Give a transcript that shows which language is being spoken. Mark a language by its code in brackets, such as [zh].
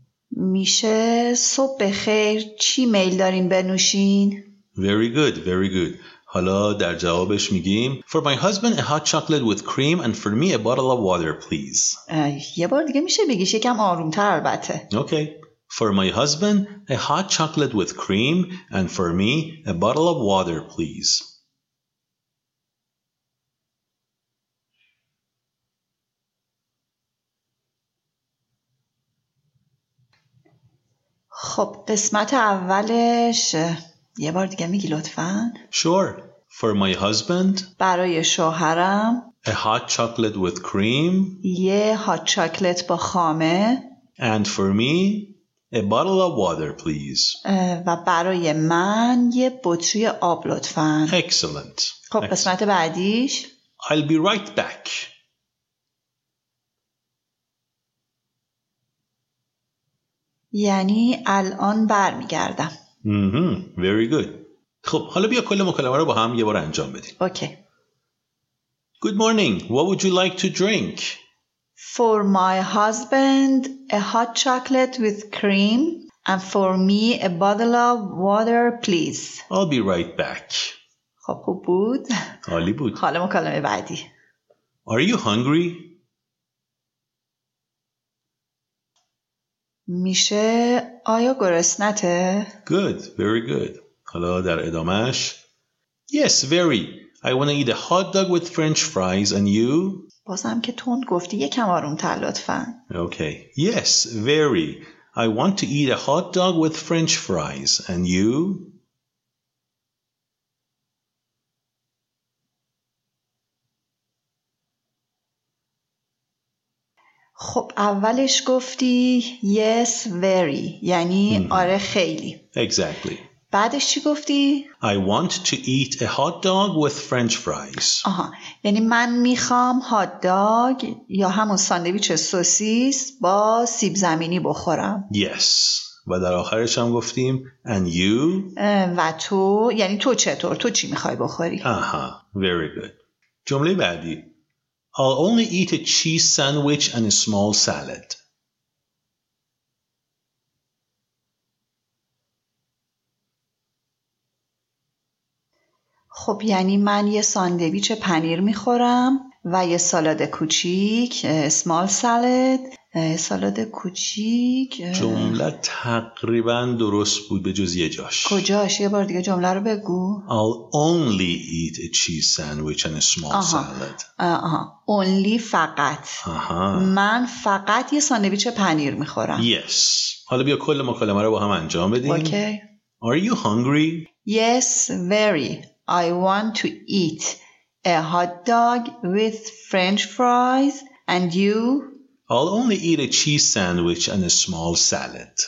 [fa] میشه صبح بخیر چی میل دارین بنوشین؟ [en] Very good, very good. [fa] حالا در جوابش میگیم [en] For my husband a hot chocolate with cream and for me a bottle of water, please. [fa] یه بار دیگه میشه بگیش یکم آرومتر البته. [en] Okay. For my husband, a hot chocolate with cream, and for me, a bottle of water, please. [fa] خب قسمت اولش یه بار دیگه میگی لطفاً. [en] Sure. For my husband. [fa] برای شوهرم. [en] A hot chocolate with cream. [fa] یه hot chocolate با خامه. [en] And for me. A bottle of water, please. [fa] و برای من یه بطری آب لطفاً. [en] Excellent. [fa] خب قسمت بعدیش. [en] I'll be right back. [fa] یعنی الان برمیگردم. [en] Very good. [fa] خب حالا بیا کل مکالمه رو با هم یه بار انجام بدیم. [en] Okay. Good morning. What would you like to drink? For my husband, a hot chocolate with cream, and for me, a bottle of water, please. I'll be right back. [fa] خب خوب بود. عالی بود. حالا مکالمه بعدی. [en] Are you hungry? [fa] میشه آیا گرسنته؟ [en] Good, very good. [fa] حالا در ادامهش. [en] Yes, very. I want to eat a hot dog with French fries, and you? [fa] بازم که تون گفتی یکم آرومتر لطفاً. [en] Okay. Yes, very. I want to eat a hot dog with French fries. And you? [fa] خب اولش گفتی [en] yes, very. [fa] یعنی آره خیلی. [en] Exactly. [fa] بعدش چی گفتی؟ [en] I want to eat a hot dog with French fries. [fa] آها. یعنی من میخوام هات داگ یا همون ساندویچ سوسیس با سیب زمینی بخورم. [en] Yes. [fa] و در آخرش هم گفتیم [en] And you? [fa] و تو یعنی تو چطور؟ تو چی میخوای بخوری؟ آها. [en] Very good. [fa] جمله بعدی. [en] I'll only eat a cheese sandwich and a small salad. [fa] خب خب یعنی من یه ساندویچ پنیر میخورم و یه سالاد کوچیک، اسمال سالاد، سالاد کوچیک. جمله تقریبا درست بود به جز یه جاش. کجاش؟ یه بار دیگه جمله رو بگو. [en] I'll only eat a cheese sandwich and a small salad. [fa] آها. Only فقط. آها. من فقط یه ساندویچ پنیر میخورم. [en] Yes. [fa] حالا بیا کل مکالمه رو با هم انجام بدیم. [en] Okay. Are you hungry? Yes, very. I want to eat a hot dog with French fries. And you? I'll only eat a cheese sandwich and a small salad.